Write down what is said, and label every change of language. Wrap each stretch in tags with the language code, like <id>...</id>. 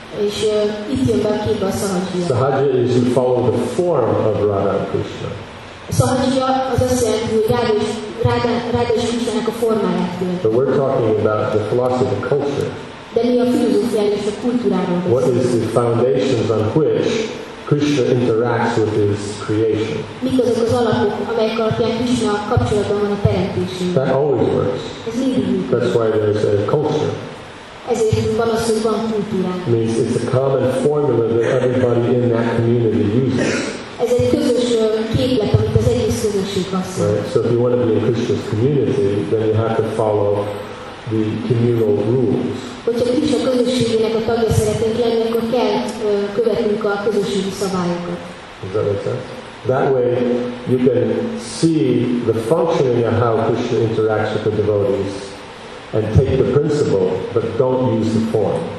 <hu>És itt jön be a képbe a sahajya.</hu> <en>Sahajya is you follow the form of Radha Krishna.</en> <hu>Sahajya az azt jelenti, hogy Radha és Krishna-nak a formáját jelenti.</hu> <en>But we're talking about the philosophy of culture.</en> <hu>De mi a filozófia és a kultúráról beszélünk.</hu> <en>What is the foundations on which Krishna interacts with his creation.</en> <hu>Mik azok az alapok, amelyek alapján Krishna kapcsolatban van a teremtésével?</hu> <en>That always works.</en> <hu>Ez mindig működik.</hu> <en>That's why there is a culture.</en> <hu>Ezért van az, hogy van kultúra.</hu> <en>Means it's a common formula that everybody in that community uses.</en> <hu>Ez egy közös képlet, amit az egész közösség használ.</hu> <en>Right. So if you want to be in Krishna's community, then you have to follow the communal rules.</en> <hu>Hogyha Krishna közösségének a tagja szeretnénk lenni, akkor kell követnünk a közösségi szabályokat.</hu> <en>Is that right, sir? That way you can see the functioning of how Krishna interacts with the devotees and take the principle, but don't use the form.</en>